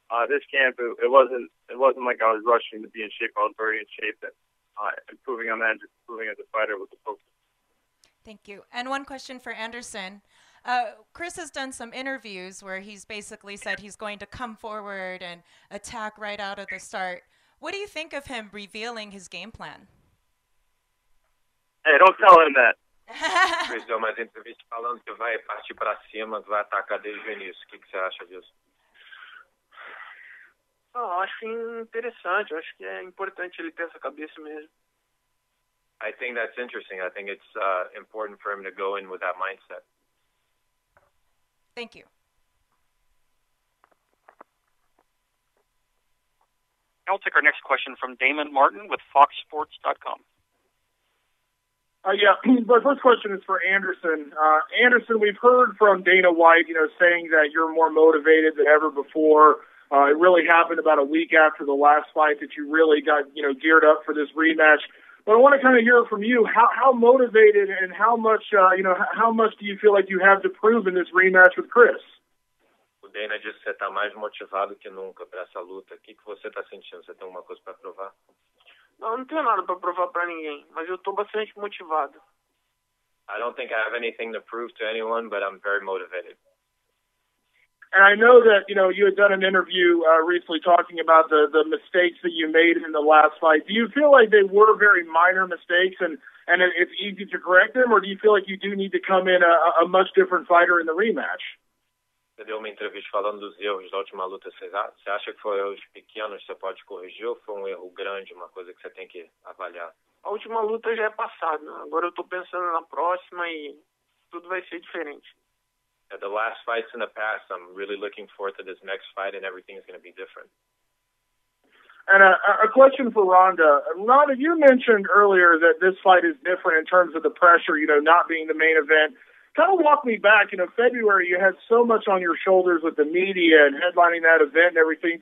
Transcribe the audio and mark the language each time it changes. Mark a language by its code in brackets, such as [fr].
[en] This camp, it wasn't like I was rushing to be in shape. I was very in shape and improving on that and just improving as a fighter was the focus. Thank you. And one question for Anderson. Chris has done some interviews where he's basically said he's going to come forward and attack right out of the start. What do you think of him revealing his game plan? Hey, don't tell him that. [pt] Chris deu umas entrevistas falando que vai partir para cima, que vai atacar desde o início. O que você acha disso? Oh, acho interessante. Eu acho que é importante ele ter essa cabeça mesmo. [en] I think that's interesting. I think it's important for him to go in with that mindset. Thank you. I'll take our next question from Damon Martin with FoxSports.com. My first question is for Anderson. Anderson, we've heard from Dana White, you know, saying that you're more motivated than ever before. It really happened about a week after the last fight that you really got, you know, geared up for this rematch. But I want to kind of hear from you, how motivated and how much do you feel like you have to prove in this rematch with Chris? [pt] O Dana disse que você está mais motivado que nunca para essa luta. O que, que você está sentindo? Você tem alguma coisa para provar? Não, não tenho nada para provar para ninguém, mas eu estou bastante motivado. [en] I don't think I have anything to prove to anyone, but I'm very motivated. And I know that, you know, you had done an interview recently talking about the mistakes that you made in the last fight. Do you feel like they were very minor mistakes and it's easy to correct them, or do you feel like you do need to come in a much different fighter in the rematch? [pt] Você deu uma entrevista falando dos erros da última luta. Você acha que foram erros pequenos, você pode corrigir, ou foi um erro grande, uma coisa que você tem que avaliar? A última luta já é passada. Agora eu estou pensando na próxima e tudo vai ser diferente. [en] The last fight's in the past. I'm really looking forward to this next fight, and everything's going to be different. And a question for Rhonda. Rhonda, you mentioned earlier that this fight is different in terms of the pressure, you know, not being the main event. Kind of walk me back. You know, February, you had so much on your shoulders with the media and headlining that event and everything.